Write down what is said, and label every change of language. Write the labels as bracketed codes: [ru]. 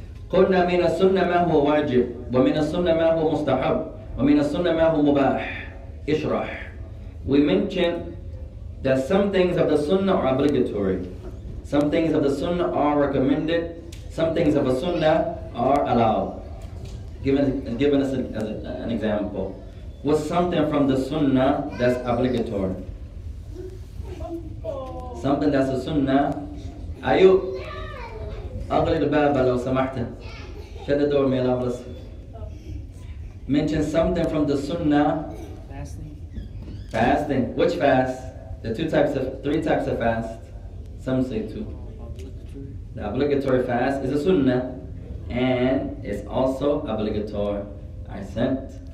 [ar] قلنا من السنة ما هو واجب ومن السنة ما هو مستحب ومن السنة ما هو مباح. اشرح. [en] We mentioned that some things of the Sunnah are obligatory. Some things of the Sunnah are recommended. Some things of the Sunnah are allowed. Given us an example. What's something from the Sunnah that's obligatory? Something that's a Sunnah. [ar] Ayu, أغلق الباب لو سمحت. [en] Shut the door, may Allah bless you. Mention something from the Sunnah. Fasting. Which fast? The three types of fast. Some say two. The obligatory fast is a sunnah and it's also obligatory. I sent.